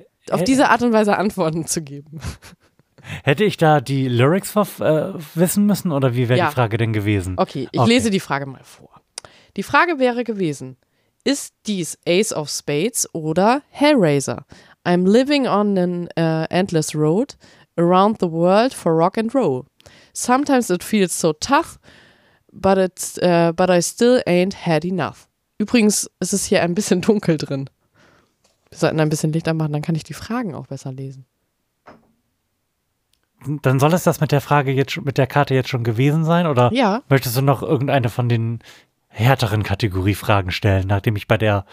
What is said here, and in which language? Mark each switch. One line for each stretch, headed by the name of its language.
German: Auf diese Art und Weise Antworten zu geben. Hätte ich da die Lyrics wissen müssen oder wie wäre ja. die Frage denn gewesen? Okay, ich lese die Frage mal vor. Die Frage wäre gewesen, ist dies Ace of Spades oder Hellraiser?
English: I'm living on an endless road around the world for rock and roll. Sometimes it feels so tough, but I still ain't had enough.
German: Übrigens ist es hier ein bisschen dunkel drin. Wir sollten ein bisschen Licht anmachen, dann kann ich die Fragen auch besser lesen. Dann soll es das mit der Frage jetzt, mit der Karte jetzt schon gewesen sein? Oder ja. möchtest du noch irgendeine von den härteren Kategoriefragen stellen, nachdem ich bei der